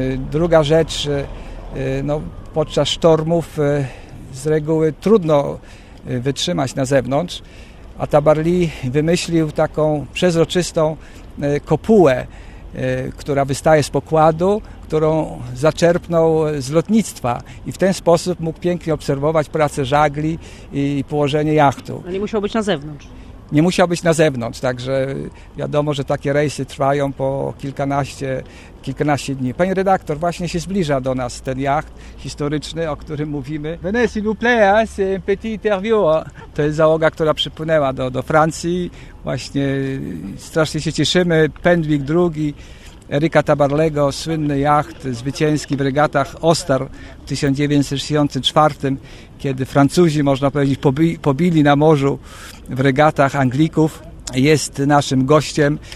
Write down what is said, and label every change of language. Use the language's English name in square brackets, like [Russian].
[Polish] Druga rzecz, podczas sztormów z reguły trudno wytrzymać na zewnątrz, a Tabarly wymyślił taką przezroczystą kopułę, która wystaje z pokładu, którą zaczerpnął z lotnictwa i w ten sposób mógł pięknie obserwować pracę żagli i położenie jachtu. Ale nie musiał być na zewnątrz. Nie musiał być na zewnątrz, także wiadomo, że takie rejsy trwają po kilkanaście dni. Panie redaktor, właśnie się zbliża do nas ten jacht historyczny, o którym mówimy. [French] Venez, s'il vous plaît, c'est un petit interview. [Polish] To jest załoga, która przypłynęła do Francji. Właśnie strasznie się cieszymy. Pendik drugi Erika Tabarlego, słynny jacht zwycięski w regatach Oster w 1964, kiedy Francuzi, można powiedzieć, pobili na morzu w regatach Anglików, jest naszym gościem.